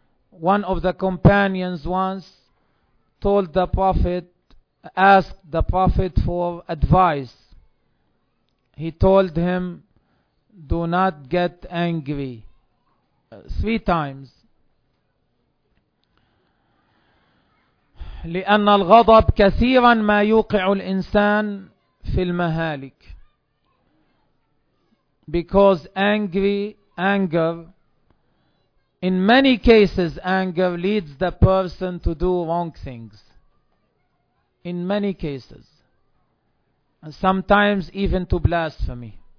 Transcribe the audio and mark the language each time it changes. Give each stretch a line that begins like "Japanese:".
English: One of the companions once told the Prophet, asked the Prophet for advice. He told him, do not get angry three times.
Arabic: لأن الغضب كثيرا ما يوقع الإنسان في المهالك.
English: Because anger, in many cases, anger leads the person to do wrong things. In many cases. And sometimes even to blasphemy.